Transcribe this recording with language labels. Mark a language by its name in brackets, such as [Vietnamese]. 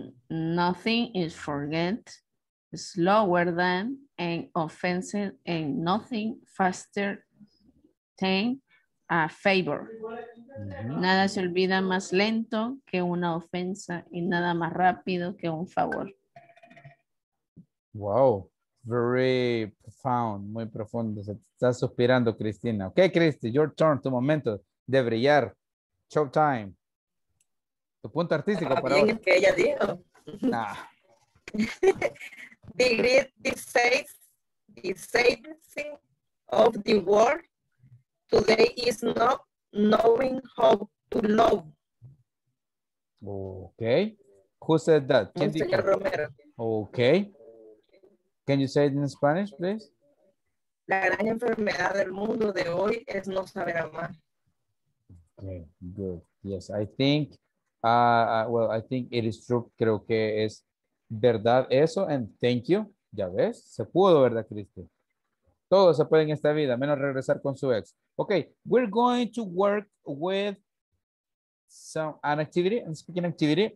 [English] Nothing is forget slower than an offensive and nothing faster than a favor. Mm-hmm. [Spanish] Nada se olvida más lento que una ofensa y nada más rápido que un favor. [English] Wow. Very profound, [Spanish] muy profundo. Está suspirando, Cristina. [English] Okay, Cristi, your turn, [Spanish] tu momento de brillar. Showtime. Tu punto artístico para hoy. Que ella dijo. Nah. [English] The great disabling of the world today is not knowing how to love. Okay. Who said that? [Spanish] ¿Quién dijo? Señor Romero. [English] Okay. Can you say it in Spanish, please? [Spanish] La gran enfermedad del mundo de hoy es no saber amar. [English] Okay, good. Yes, I think, I think it is true. [Spanish] Creo que es verdad eso. [English] And thank you. [Spanish] Ya ves, se pudo, ¿verdad, Cristi? Todo se puede en esta vida, menos regresar con su ex. [English] Okay, we're going to work with an activity, a speaking activity.